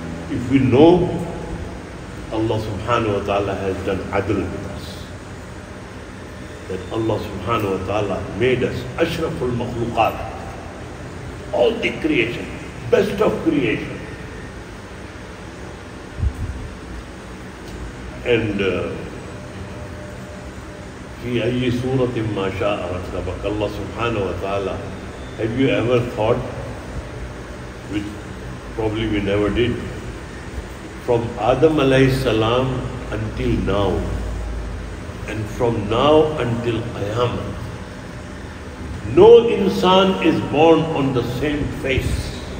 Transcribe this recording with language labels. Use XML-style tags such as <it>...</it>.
<en>If we know, Allah subhanahu wa ta'ala has done adl with us. That Allah subhanahu wa ta'ala made us ashraful makhluqat. All the creation, best of creation.</en> <ar>And في أي سورة ما شاء ركبك الله سبحانه وتعالى.</ar> <en>Have you ever thought, which probably we never did, from Adam alayhi salam until now, and from now until Qiyamah, no insan is born on the same face.</en>